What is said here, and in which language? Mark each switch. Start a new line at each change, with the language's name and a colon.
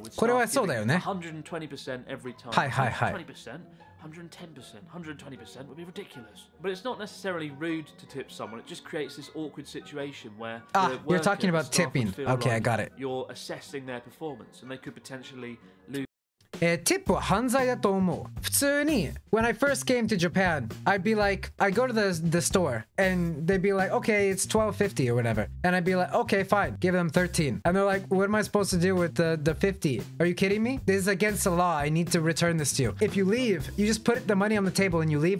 English: With staff giving 120% every time. Hi, hi, hi. 20%, 110%, 120% would be ridiculous. But it's not necessarily rude to tip someone. It just creates this awkward situation where you're talking about tipping. Okay, like I got it. You're assessing their performance, and they could potentially lose.
Japanese: ティップは犯罪だと思う。普通に
English: When I first came to Japan, I'd be like, I'd go to the store and they'd be like, okay, it's $12.50 or whatever. And I'd be like, okay, fine, give them $13. And they're like, what am I supposed to do with the $50? Are you kidding me? This is against the law. I need to return this to you. If you leave, you just put the money on the table and you leave.